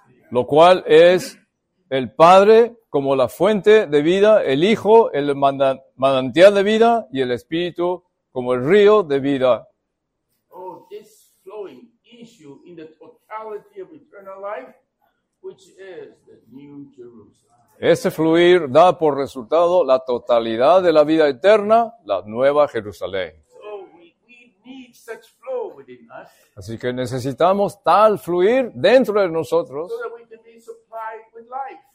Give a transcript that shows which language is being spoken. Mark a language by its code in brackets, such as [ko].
[es] Lo cual es el Padre como la fuente de vida, el Hijo, el manantial de vida, y el Espíritu como el río de vida. [en] Oh, this flowing issue in the totality of eternal life, which is the new Jerusalem. [es] Este fluir da por resultado la totalidad de la vida eterna, la nueva Jerusalén. [en] So we need such flow within us. [es] Así que necesitamos tal fluir dentro de nosotros. [en] So that we can be supplied with life.